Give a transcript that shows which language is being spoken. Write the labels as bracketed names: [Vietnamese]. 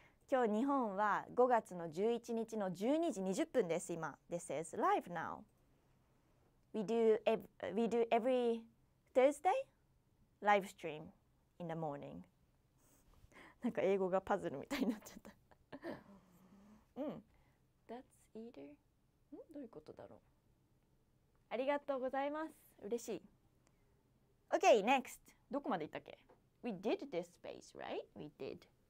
[Japanese] 今日日本は5月の11日の12時20分です今。 [English] This is live now. We do every Thursday live stream in the morning. [Japanese] なんか英語がパズルみたいになっちゃった。うん。 [English] That's either? [Japanese] ん？どういうことだろう。ありがとうございます。嬉しい。 [English] Okay, next. [Japanese] どこまで行ったっけ？ [English] We did this space, right? We did.